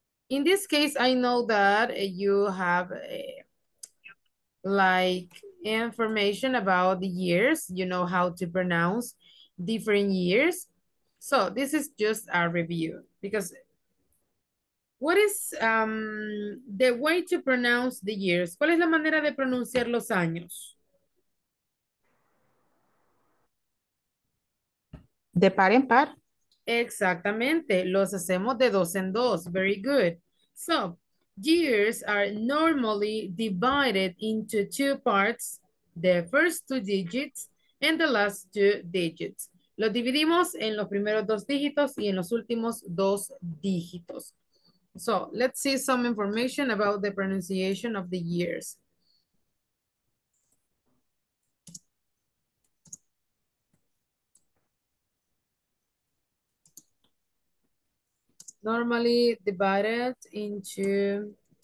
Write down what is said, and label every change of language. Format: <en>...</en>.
<en>In this case, I know that you have like information about the years. You know how to pronounce different years. So this is just a review. Because what is the way to pronounce the years?</en> <es>¿Cuál es la manera de pronunciar los años? De par en par. Exactamente. Los hacemos de dos en dos.</es> <en>Very good. So, years are normally divided into two parts, the first two digits and the last two digits.</en> <es>Los dividimos en los primeros dos dígitos y en los últimos dos dígitos.</es> <en>So, let's see some information about the pronunciation of the years. Normally divided into</en>